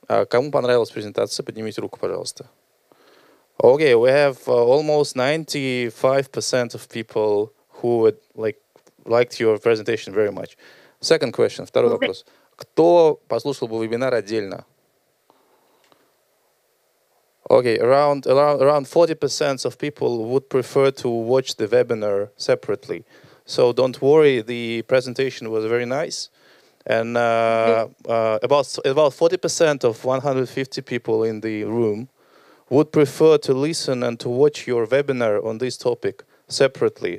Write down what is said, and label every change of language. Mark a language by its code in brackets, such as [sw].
[ru] Кому понравилась презентация, поднимите руку, пожалуйста. [en] Okay, we have almost 95% of people who would liked your presentation very much. Second question, [ru] второй вопрос. Кто послушал бы вебинар отдельно? [en] Okay, around 40% of people would prefer to watch the webinar separately. So don't worry, the presentation was very nice. And about 40% of 150 people in the room would prefer to listen and to watch your webinar on this topic separately.